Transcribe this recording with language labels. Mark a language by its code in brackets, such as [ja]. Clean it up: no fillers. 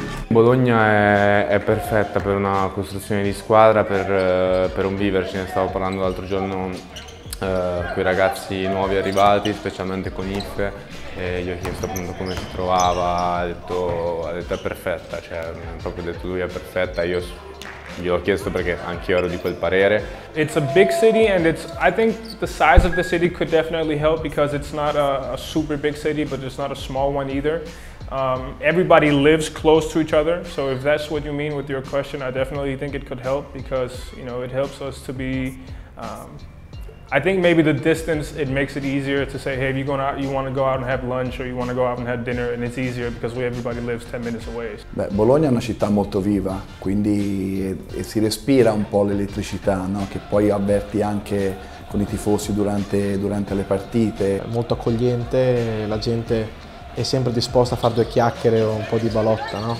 [it] Bologna è perfetta per una costruzione di squadra, per un viverci. Ne stavo parlando l'altro giorno con i ragazzi nuovi arrivati, specialmente con Ife, e gli ho chiesto appunto come si trovava, ha detto è perfetta, cioè ha proprio detto lui è perfetta, io gli ho chiesto perché anch'io ero di quel parere. [en] It's a big city and it's, I think the size of the city could definitely help because it's not a super big city but it's not a small one either. Everybody lives close to each other, so if that's what you mean with your question, I definitely think it could help because, you know, it helps us to be, I think maybe the distance, it makes it easier to say, hey, if you're going out, you want to go out and have lunch or you want to go out and have dinner, and it's easier because everybody lives 10 minutes away. [it] Beh, Bologna è una città molto viva, quindi si respira un po' l'elettricità, no? Che poi avverti anche con i tifosi durante le partite. È molto accogliente, la gente è sempre disposta a fare due chiacchiere o un po' di balotta, no?